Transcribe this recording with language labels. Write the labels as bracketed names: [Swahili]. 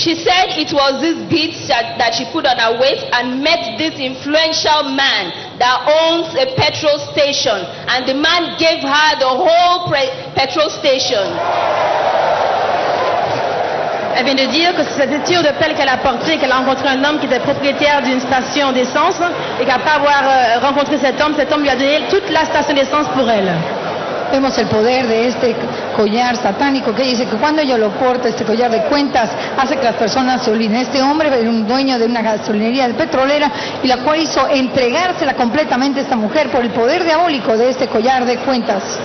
[English] She said it was this beads that she put on her waist and met this influential man that owns a petrol station. And the man gave her the whole petrol station. [French] Elle vient de dire que c'est cette étude de pelle qu'elle a portée, qu'elle a rencontré un homme qui était propriétaire d'une station d'essence, et qu'après avoir rencontré cet homme lui a donné toute la station d'essence pour elle. [Spanish] Vemos el poder de este collar satánico que dice que cuando ella lo porta, este collar de cuentas, hace que las personas se olviden. Este hombre era un dueño de una gasolinería de petrolera y la cual hizo entregársela completamente a esta mujer por el poder diabólico de este collar de cuentas.